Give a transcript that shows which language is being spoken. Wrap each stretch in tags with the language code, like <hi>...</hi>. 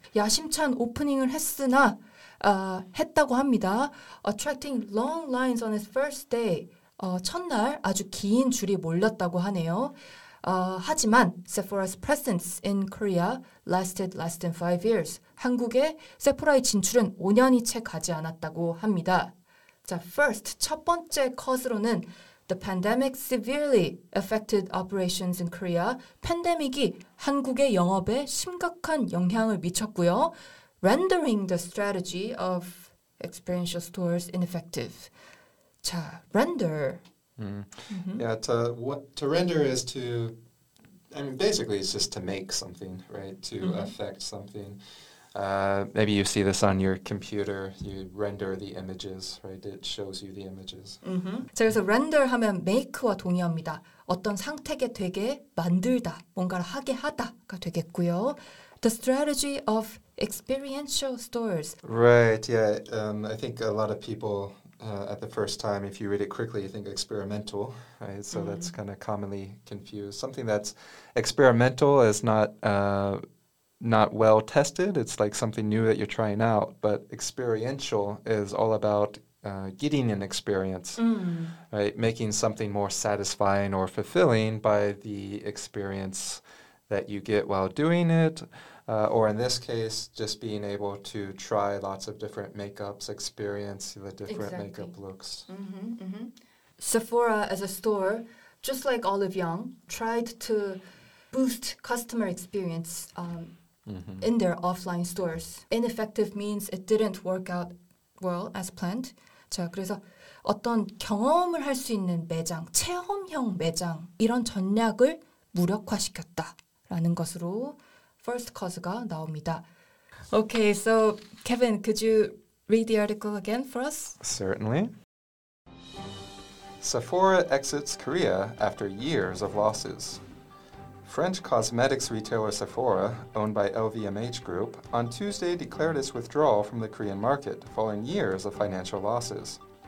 <ko>야심찬 오프닝을 했으나 했다고 합니다.</ko> <en>Attracting long lines on its first day.</en> <ko>첫날 아주 긴 줄이 몰렸다고 하네요. 하지만</ko> <en>Sephora's presence in Korea lasted less than 5 years.</en> <ko>한국에 세포라의 진출은 5년이 채 가지 않았다고 합니다. 자,</ko> <en>first,</en> <ko>첫 번째</ko> <en>cause로는 The pandemic severely affected operations in Korea.</en> <ko>팬데믹이 한국의 영업에 심각한 영향을 미쳤고요.</ko> <en>Rendering the strategy of experiential stores ineffective.</en> <ko>자, render.</ko> <en>Mm-hmm. Yeah, to render is to, I mean, basically it's just to make something, right? To affect something. Maybe you see this on your computer. You render the images, right? It shows you the images. Mm-hmm.</en> <ko>자, 그래서 render 하면 make와 동의합니다. 어떤 상태게 되게 만들다, 뭔가를 하게 하다가 되겠고요.</ko> <en>The strategy of experiential stores. Right, yeah. I think a lot of people at the first time. If you read it quickly, you think experimental, right? So that's kind of commonly confused. Something that's experimental is not well tested. It's like something new that you're trying out. But experiential is all about getting an experience, right? Making something more satisfying or fulfilling by the experience that you get while doing it. Or in this case, just being able to try lots of different makeups, experience the different makeup looks. Sephora as a store, just like Olive Young, tried to boost customer experience in their offline stores. Ineffective means it didn't work out well as planned.</en> <ko>자, 그래서 어떤 경험을 할 수 있는 매장, 체험형 매장, 이런 전략을 무력화시켰다라는 것으로 first cause가 나옵니다.</ko> <en>Okay, so Kevin, could you read the article again for us? Certainly. Sephora exits Korea after years of losses. French cosmetics retailer Sephora, owned by LVMH Group, on Tuesday declared its withdrawal from the Korean market following years of financial losses.</en>